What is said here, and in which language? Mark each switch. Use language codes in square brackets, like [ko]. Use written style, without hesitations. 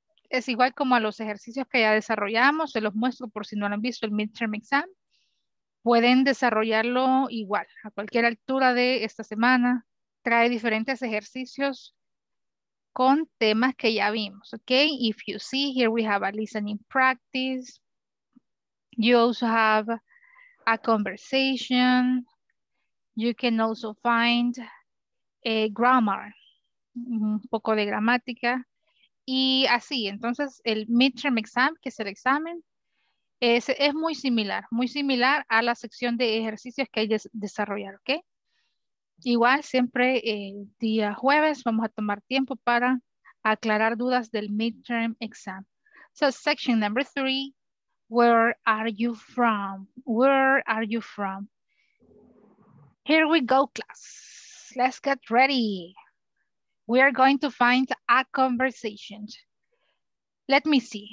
[es] Es igual como a los ejercicios que ya desarrollamos. Se los muestro por si no lo han visto, el midterm exam. Pueden desarrollarlo igual, a cualquier altura de esta semana. Trae diferentes ejercicios con temas que ya vimos, ok. [en] If you see here, we have a listening practice. You also have a conversation. You can also find a grammar, [es] un poco de gramática. Y así, entonces el midterm exam, que es el examen, es muy similar a la sección de ejercicios que hay que desarrollar, ok. Igual, siempre el día jueves vamos a tomar tiempo para aclarar dudas del midterm exam. [en] So, section number three, where are you from? Where are you from? Here we go, class. Let's get ready. We are going to find a conversation. Let me see.